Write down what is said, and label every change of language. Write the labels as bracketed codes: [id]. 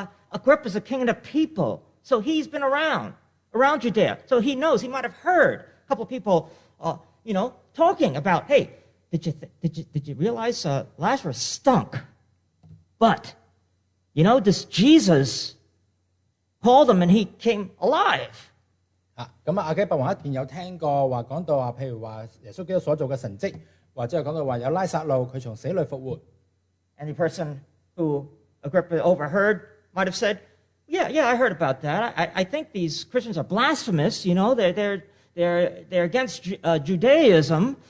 [en] Agrippa is the king of the people, so he's been around. Around Judea, so he knows. He might have heard a couple of people, you know, talking about. Hey, did you realize Lazarus stunk? But you know, this Jesus called him and he came alive. [yue] 啊，咁啊，阿基伯王一边有听过话讲到话，譬如话耶稣基督所做嘅神迹，或者系讲到话有拉撒路佢从死里复活。 [en] Any person who Agrippa overheard might have said. Yeah, I heard about that. I think these Christians are blasphemous, you know, they're against Judaism.